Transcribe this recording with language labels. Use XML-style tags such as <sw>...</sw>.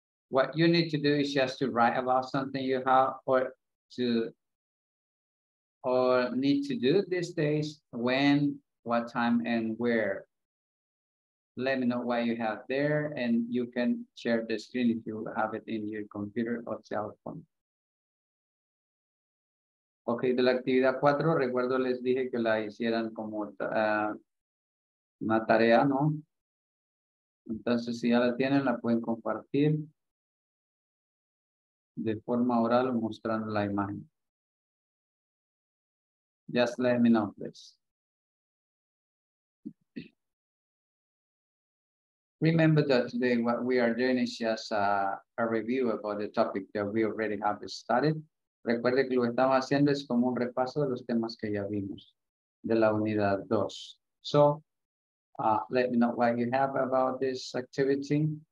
<en>What you need to do is just to write about something you have or need to do these days, when, what time, and where. Let me know what you have there, and you can share the screen if you have it in your computer or cell phone.</en> <es>Okay, de la actividad 4, recuerdo les dije que la hicieran como una tarea, ¿no? Entonces, si ya la tienen, la pueden compartir de forma oral mostrando la imagen.</es> <en>Just let me know, please. Remember that today what we are doing is just a review about the topic that we already have studied.</en> <es>Recuerde que lo que estamos haciendo es como un repaso de los temas que ya vimos de la unidad 2.</es> <en>So, let me know what you have about this activity.</en>